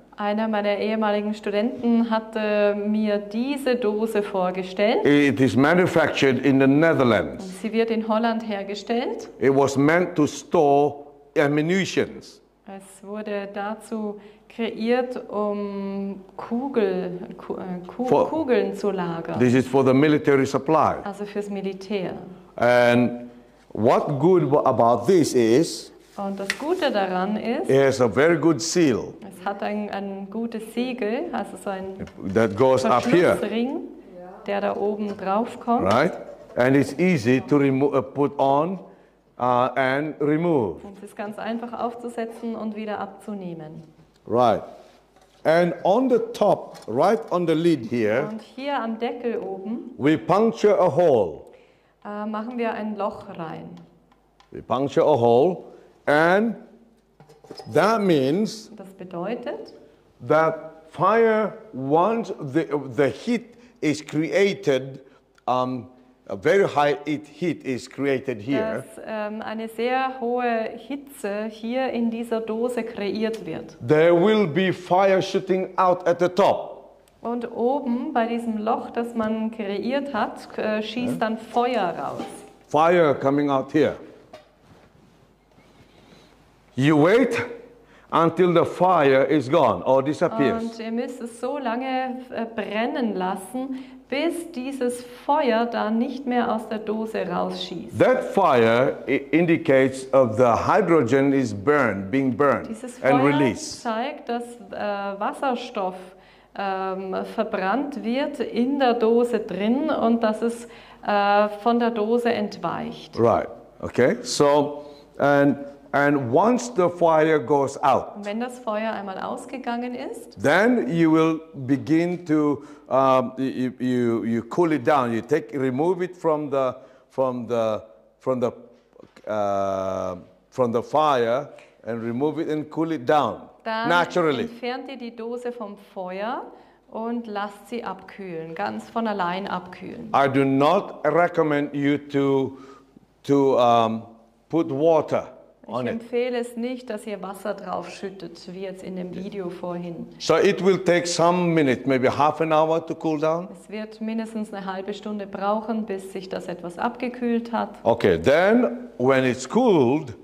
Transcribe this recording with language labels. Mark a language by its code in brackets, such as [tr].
[de] Einer meiner ehemaligen Studenten hatte mir diese Dose vorgestellt. [en] It is manufactured in the Netherlands. [de] Sie wird in Holland hergestellt. [en] It was meant to store ammunition. [de] Es wurde dazu kreiert, um Kugeln zu lagern. [en] This is for the military supply. [de] Also fürs Militär. [en] And What good about this is? [de] Und das Gute daran ist, [en] it has a very good seal. [de] Es hat ein gutes Siegel, also so ein Verschlussring, der da oben drauf kommt. [en] Right? And it's easy to put on and remove. [de] Und es ist ganz einfach aufzusetzen und wieder abzunehmen. [en] Right. And on the top, right on the lid here, [de] und hier am Deckel oben, [en] we puncture a hole. [de] Machen wir ein Loch rein. [en] We puncture a hole, and that means [de] das bedeutet, [en] that fire, once the heat is created, a very high heat is created here. [de] Dass eine sehr hohe Hitze hier in dieser Dose kreiert wird. [en] There will be fire shooting out at the top. [de] Und oben bei diesem Loch, das man kreiert hat, schießt dann Feuer raus. [en] Fire coming out here. You wait until the fire is gone or disappears. [de] Und ihr müsst es so lange brennen lassen, bis dieses Feuer dann nicht mehr aus der Dose rausschießt. [en] That fire indicates of the hydrogen is burned, being burned and released. [de] Dieses Feuer zeigt, dass Wasserstoff verbrannt wird in der Dose drin und dass es von der Dose entweicht. [en] Right. Okay. So and once the fire goes out. [de] Wenn das Feuer einmal ausgegangen ist, [en] then you will begin to you cool it down. You take remove it from the fire and remove it and cool it down. [de] Dann [en] naturally. [de] Entfernt ihr die Dose vom Feuer und lasst sie abkühlen, ganz von allein abkühlen. [en] I do not recommend you to put water on it. [de] Ich empfehle es nicht, dass ihr Wasser drauf schüttet, wie jetzt in dem Video vorhin. [en] So it will take some minutes, maybe half an hour to cool down. [de] Es wird mindestens eine halbe Stunde brauchen, bis sich das etwas abgekühlt hat. [en] Okay, then when it's cooled,